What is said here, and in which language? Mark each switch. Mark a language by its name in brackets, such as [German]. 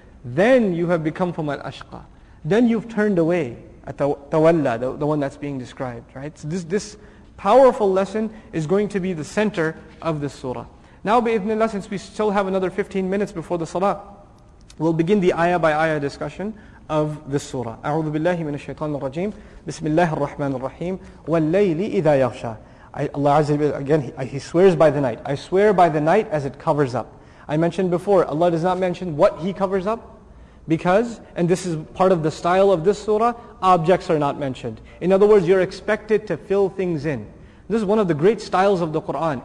[English] Then you have become from al-ashqa. Then you've turned away at tawalla, the one that's being described, right? So this powerful lesson is going to be the center of this surah. Now bi-ithnillah, since we still have another 15 minutes before the salah, we'll begin the ayah by ayah discussion of this surah. [Arabic] أعوذ بالله من الشيطان الرجيم بسم الله الرحمن الرحيم والليل إذا يغشى. [English] Allah Azza wa Jalla, again, He swears by the night. I swear by the night as it covers up. I mentioned before, Allah does not mention what He covers up, because, and this is part of the style of this surah, objects are not mentioned. In other words, you're expected to fill things in. This is one of the great styles of the Qur'an.